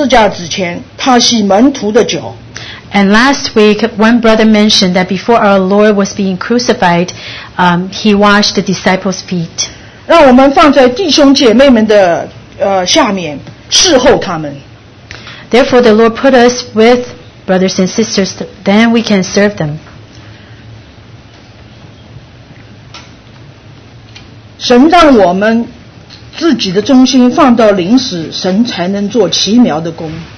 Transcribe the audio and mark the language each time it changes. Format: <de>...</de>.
<zh>那上个前个礼拜那个我们有一位弟兄提到主上十字架之前他洗门徒的脚。</zh> <en>And last week, one brother mentioned that before our Lord was being crucified, he washed the disciples' feet.</en> <zh>让我们放在弟兄姐妹们的下面侍候他们。</zh> <en>Therefore, the Lord put us with brothers and sisters, then we can serve them.</en> <zh>神让我们自己的中心放到临时，神才能做奇妙的工。</zh>